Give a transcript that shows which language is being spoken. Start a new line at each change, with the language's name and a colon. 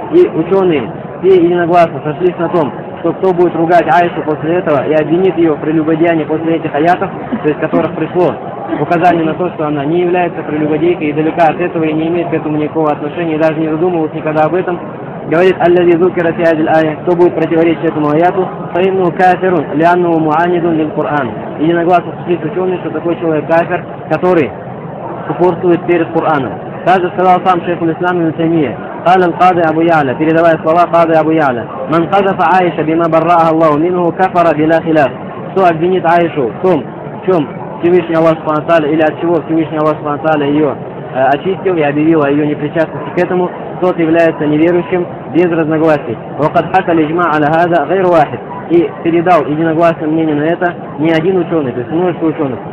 Russian: И ученые все единогласно сошлись на том, что кто будет ругать Аишу после этого и обвинит ее в прелюбодеянии после этих аятов, то есть которых пришло указание на то, что она не является прелюбодейкой и далека от этого и не имеет к этому никакого отношения и даже не задумывалась никогда об этом, говорит
Arabic: аллази зукира фи хазиль ая,
Russian: кто будет противоречить этому аяту,
Arabic: фаиннаху кафирун лианнаху муанидун лил-Куран.
Russian: Единогласно сошлись ученые, что такой человек кафир, который упорствует перед Кораном. Также сказал сам Шейх Ислам Ибн Таймия,
Arabic: قال القاضي أبو يعلى في رواية صلاة قاضي أبو يعلى: من قذف عائشة بما برأها الله منه كفر بلا خلاف.
Russian: Кто обвинит Аишу в том, в чем Всевышний Аллах Субхана Тааля, или от чего Всевышний Аллах Субхана Тааля ее очистил и объявил о ее непричастности к этому, тот является неверующим без разногласий.
Arabic: وَقَدْ حَكَ الْإِجْمَعَ عَلَى هَذَا غَيْرُ وَاحِدٍ.
Russian: И передал единогласное мнение на это не один ученый, то есть множество ученых.